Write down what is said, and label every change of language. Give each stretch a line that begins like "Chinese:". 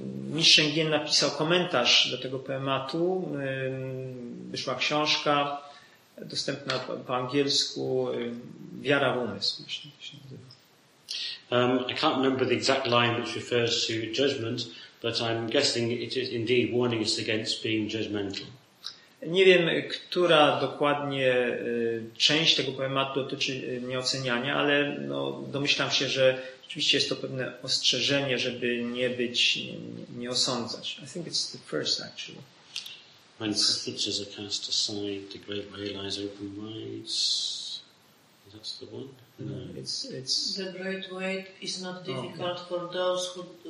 Polish: Mistrz Sheng Yen napisał komentarz do tego poematu. Wyszła książka dostępna po angielsku. Wiara w umysł.
English: I can't remember the exact line which refers to judgment, but I'm guessing it is indeed warning us against being judgmental.
Polish: Nie wiem, która dokładnie część tego poematu dotyczy nieoceniania, ale no, domyślam się, że rzeczywiście jest to pewne ostrzeżenie, żeby nie być, nie osądzać.
English: I think it's the first, actually. When stitches are cast aside, the great way lies open wide. That's the one? No, it's the great way is not difficult for those who